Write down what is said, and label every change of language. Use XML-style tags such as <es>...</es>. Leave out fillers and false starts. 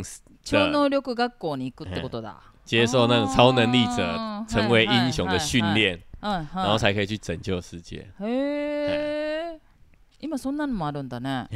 <zh>的超能力</zh> <ja>学校に行くってことだ、嗯、</ja> <zh>接受那种超能力者成为英雄的训练、啊、然后才可以去拯救世界、</zh> <ja>啊、嘿、今そんなのもあるんだね。</ja>